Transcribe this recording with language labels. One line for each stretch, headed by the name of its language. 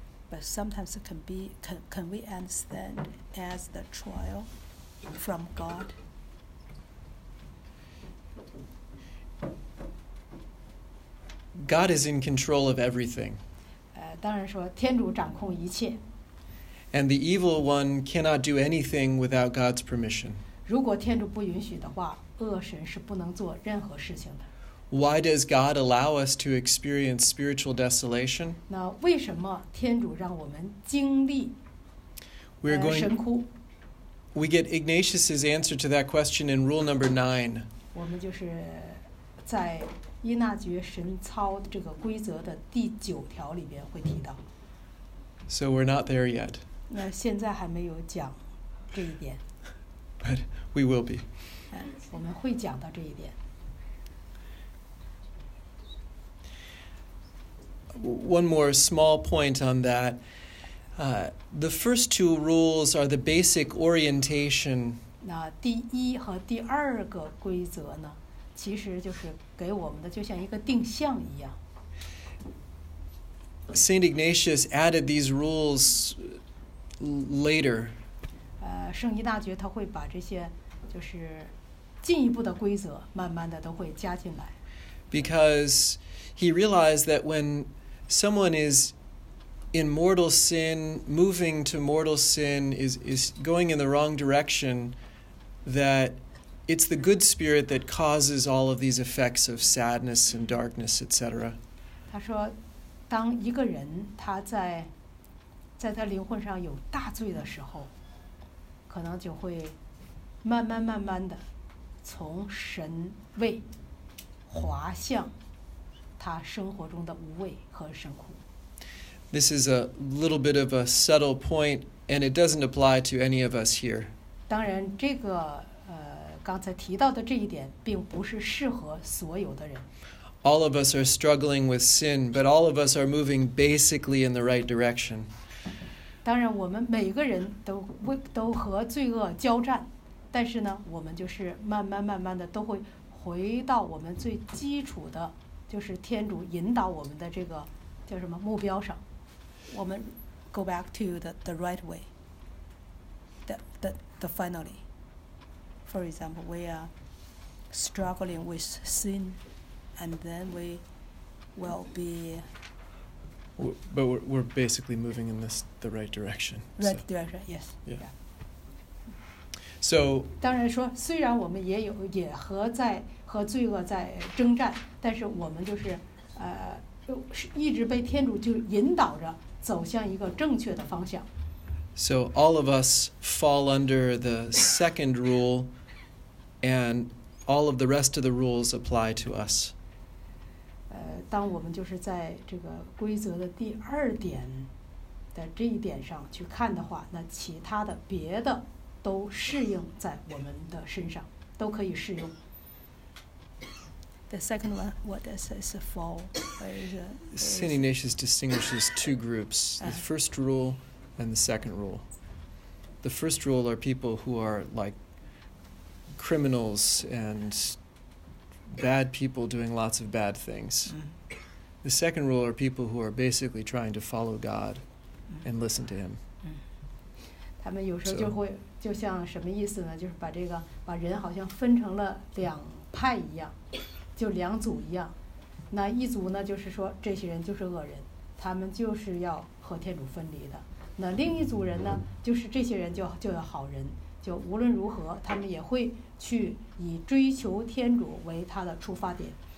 English: But sometimes it can we understand as the trial from God? God is in control of everything.
Chinese: 当然说天主掌控一切。
English: And the evil one cannot do anything without God's permission.
Chinese: 如果天主不允许的话，恶神是不能做任何事情的。
English: Why does God allow us to experience spiritual desolation?
Chinese: 那为什么天主让我们经历神哭？
English: We get Ignatius's answer to that question in rule number 9.
Chinese: 我们就是在伊纳爵神操这个规则的第九条里边会提到。
English: So we're not there yet.
Chinese: 那现在还没有讲这一点。
English: But we will be.
Chinese: 我们会讲到这一点。
English: One more small point on that. The first two rules are the basic orientation.
Chinese: 那第一和第二个规则呢，其实就是给我们的就像一个定向一样。
English: Saint Ignatius added these rules. Later,
Chinese: 圣依大爵他会把这些就是进一步的规则慢慢的都会加进来。
English: Because he realized that when someone is in mortal sin, moving to mortal sin is going in the wrong direction, that it's the good spirit that causes all of these effects of sadness and darkness, etc.
Chinese: 他说，当一个人他在在他灵魂上有大罪的时候，可能就会慢慢慢慢的从神位滑向他生活中的无畏和神苦。
English: This is a little bit of a subtle point, and it doesn't apply to any of us here.
Chinese: 当然，这个刚才提到的这一点，并不是适合所有的人。
English: All of us are struggling with sin, but all of us are moving basically in the right direction.
Chinese: 当然我们每个人 都和罪恶交战，但是呢我们就是慢慢慢慢的都会回到我们最基础的，就是天主引导我们的这个叫什么目标上，我们
English: go back to the right way, the finally. For example, we are struggling with sin, and then we will be... But we're basically moving in this, the right direction. Right direction, yes. Yeah. Yeah. So So,
Chinese: 当然说，虽然我们也有也和在和罪恶在征战，但是我们就是一直被天主就引导着走向一个正确的方向。
English: So all of us fall under the second rule, and all of the rest of the rules apply to us.
Chinese: 当我们就是在这个规则的第二点的这一点上去看的话，那其他的别的都适用在我们的身上，都可以适用。
English: The second one, what does it say, fall? St. Ignatius distinguishes two groups, the first rule and the second rule. The first rule are people who are like criminals and bad people doing lots of bad things. The second rule are people who are basically trying to follow God and listen to Him.
Chinese: 他们有时候就会就像什么意思呢？就是把这个把人好像分成了两派一样。就两组一样，那一组呢，就是说这些人就是恶人，他们就是要和天主分离的。那另一组人呢，就是这些人就有好人，就无论如何，他们也会去以追求天主为他的出发点。